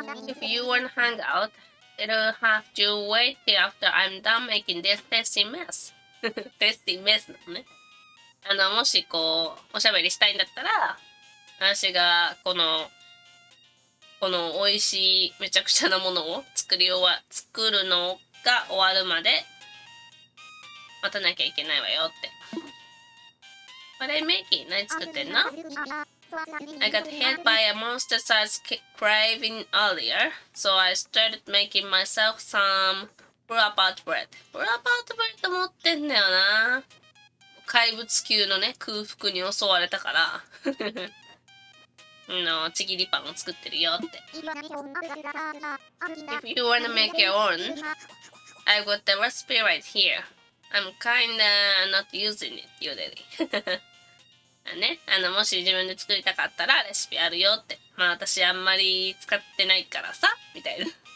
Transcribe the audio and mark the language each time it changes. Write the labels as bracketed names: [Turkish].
[English] If you want to hang out, it'll have to wait till after I'm done making this tasty mess. Tasty mess [Japanese] なのね。あの、もしこうおしゃべりしたいんだったら、私がこの美味しいめちゃくちゃなものを作るのが終わるまで待たなきゃいけないわよって。 [English] What are you making? [Japanese] 何作ってんの？ [English] I got hit by a monster-sized craving earlier, so I started making myself some blubbered bread. Blubbered bread [Japanese] 持ってんだよな。怪物級のね、空腹に襲われたから。のちぎりパンを作ってるよって。 [English] If you wanna make your own, I've got the recipe right here. I'm kinda not using it, you daddy. [Japanese] ね、あの、もし自分で作りたかったらレシピあるよって。まあ私あんまり使ってないからさ、みたいな。